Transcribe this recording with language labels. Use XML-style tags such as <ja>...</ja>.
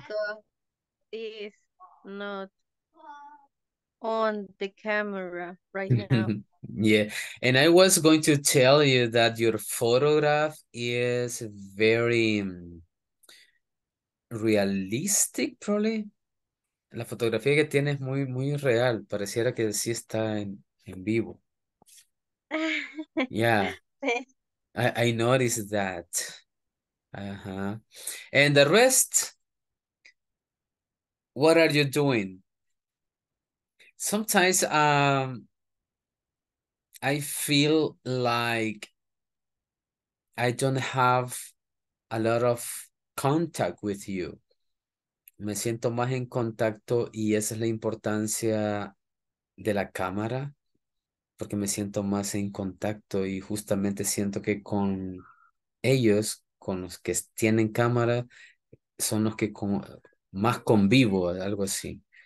<en>Because it's not on the camera right now. Yeah. And I was going to tell you that your photograph is very realistic, probably.</en> <es>La fotografía que tienes es muy, muy real. Pareciera que sí está en vivo. Yeah.</es> <en>I noticed that. And the rest, what are you doing? Sometimes I feel like I don't have a lot of contact with you.</en> <es>Me siento más en contacto y esa es la importancia de la cámara, porque me siento más en contacto y justamente siento que con ellos, con los que tienen cámara, son los que más convivo, algo así.</es>